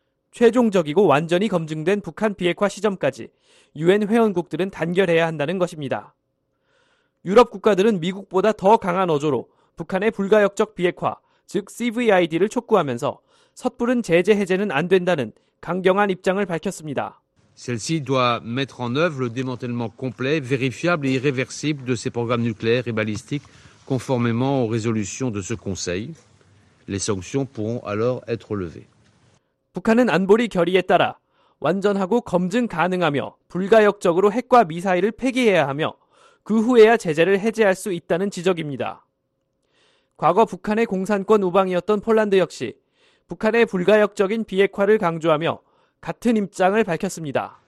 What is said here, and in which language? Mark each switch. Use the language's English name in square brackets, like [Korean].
[Korean] 최종적이고 완전히 검증된 북한 비핵화 시점까지 유엔 회원국들은 단결해야 한다는 것입니다. 유럽 국가들은 미국보다 더 강한 어조로 북한의 불가역적 비핵화, 즉 CVID를 촉구하면서 섣부른 제재 해제는 안 된다는 강경한 입장을 밝혔습니다. [French] Celle-ci doit mettre en œuvre le démantèlement complet, vérifiable et irréversible de ses programmes nucléaires et balistiques conformément aux résolutions de ce conseil. Les sanctions pourront alors être levées. [Korean] 북한은 안보리 결의에 따라 완전하고 검증 가능하며 불가역적으로 핵과 미사일을 폐기해야 하며 그 후에야 제재를 해제할 수 있다는 지적입니다. 과거 북한의 공산권 우방이었던 폴란드 역시 북한의 불가역적인 비핵화를 강조하며 같은 입장을 밝혔습니다.